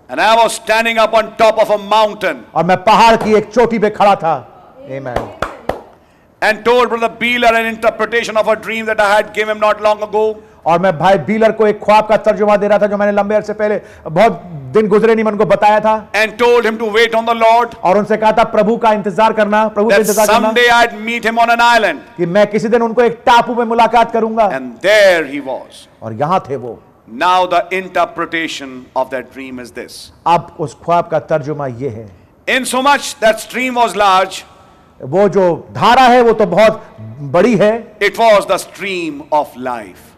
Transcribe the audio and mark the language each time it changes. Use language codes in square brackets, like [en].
[en] And I was standing up on top of a mountain. [hi] और मैं पहाड़ की एक चोटी पे खड़ा था. [en] Amen. And told brother Beeler an interpretation of a dream that I had given him not long ago. [hi] और मैं भाई बीलर को एक ख्वाब का तर्जुमा दे रहा था जो मैंने लंबे अरसे पहले बहुत दिन गुजरे नहीं मन को बताया था. [en] And told him to wait on the Lord. [hi] और उनसे कहा था प्रभु का इंतजार करना, प्रभु का इंतजार करना. [en] Someday I'd meet him on an island. [hi] कि मैं किसी दिन उनको एक टापू में मुलाकात करूंगा. [en] And there he was. [hi] और यहां थे वो. [en] Now the interpretation of that dream is this. [hi] अब उस ख्वाब का तर्जुमा ये है. [en] In so much that stream was large. [hi] वो जो धारा है वो तो बहुत बड़ी है. [en] It was the stream of life.